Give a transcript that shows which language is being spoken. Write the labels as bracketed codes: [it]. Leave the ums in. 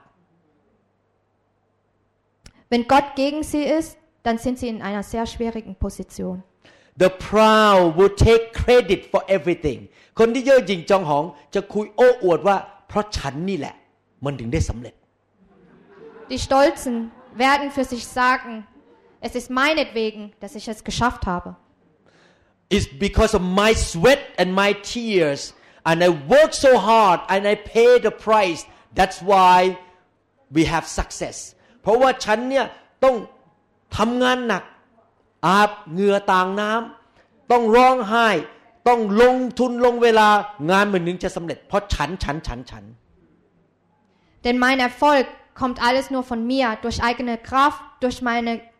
[de] ๆ [en] When God [de] gegen sie ist, dann sind sie in einer sehr schwierigen Position. [en] The proud will take credit for everything. [th] คนที่เย่อหยิ่งจองหอง จะคุยโอ้อวดว่า เพราะฉันนี่แหละ มันถึงได้สำเร็จ [de] Die Stolzen werden für sich sagen, Es ist meinetwegen, dass ich es geschafft habe. [en] It's because of my sweat and my tears and I work so hard and I pay the price. That's why we have success. [th] เพราะว่าฉันเนี่ยต้องทํางานหนักอาบเหงื่อต่างน้ําต้องร้องไห้ต้องลงทุนลงเวลางานมันถึงจะสําเร็จเพราะฉันฉันฉันฉัน [de] Denn mein Erfolg kommt alles nur von mir durch eigene Kraft durch meine